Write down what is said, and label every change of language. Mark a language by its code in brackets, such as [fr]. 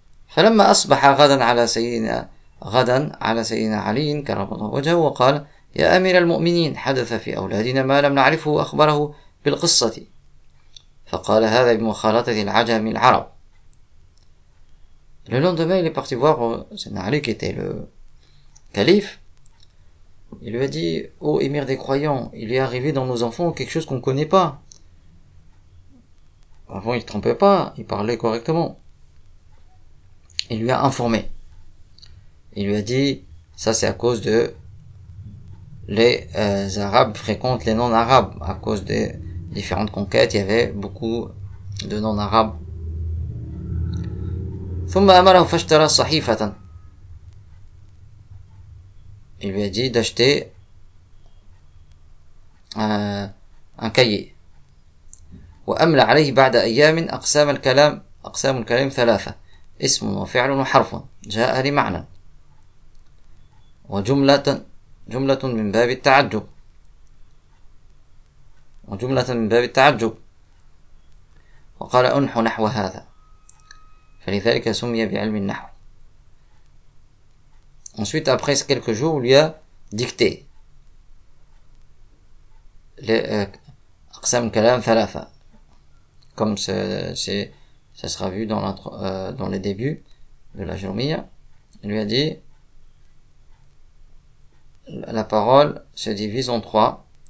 [ar] فلما أصبح غدا على سيدنا غدا على سيدنا علي كرم الله وجهه وقال يا أمير المؤمنين حدث في أولادنا ما لم نعرفه أخبره بالقصة فقال هذا بمخالطة العجم العرب. [fr] Le lendemain, il est parti voir سيدنا علي qui était le calife. Il lui a dit ô émir des croyants, il est arrivé dans nos enfants quelque chose qu'on connaît pas. Avant, il trompait pas, il parlait correctement. Il lui a informé. Il lui a dit, ça c'est à cause de les Arabes fréquentent les non-Arabes. À cause des différentes conquêtes, il y avait beaucoup de non-Arabes. [ar] ثم أمره فاشترى صحيفة. [fr] Il lui a dit d'acheter un cahier. [ar] وأملى عليه بعد أيام أقسام الكلام أقسام الكلام ثلاثة. اسم وفعل وحرف جاء لمعنى وجملة جملة من باب التعجب وجملة من باب التعجب وقال أنح نحو هذا فلذلك سمي بعلم النحو. [fr] Ensuite, après quelques jours, on lui a dicté les [ar] أقسام كلام ثلاثة [fr] comme c'est ça sera vu dans l'intro, dans les débuts de la Jourmiya. Il lui a dit, la parole se divise en trois.